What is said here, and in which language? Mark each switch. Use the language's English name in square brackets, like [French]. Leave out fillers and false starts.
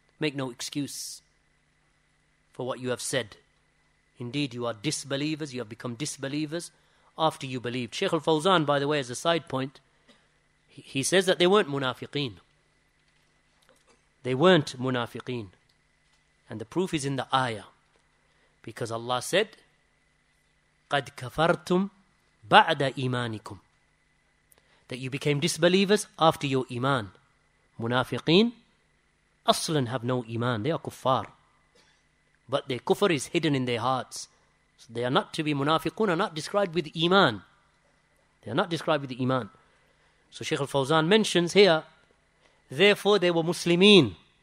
[English] Make no excuse for what you have said. Indeed, you are disbelievers, you have become disbelievers after you believed. Sheikh Al-Fawzan, by the way, as a side point, he says that they weren't munafiqeen. They weren't munafiqeen. And the proof is in the ayah. Because Allah said, [Arabic] قَدْ كَفَرْتُمْ بَعْدَ إِمَانِكُمْ. [English] That you became disbelievers after your iman. Munafiqeen aslan have no iman. They are kuffar. But their kufr is hidden in their hearts. So they are not to be munafiqun, are not described with iman. They are not described with iman. So Sheikh Al-Fawzan mentions here, therefore they were Muslimin.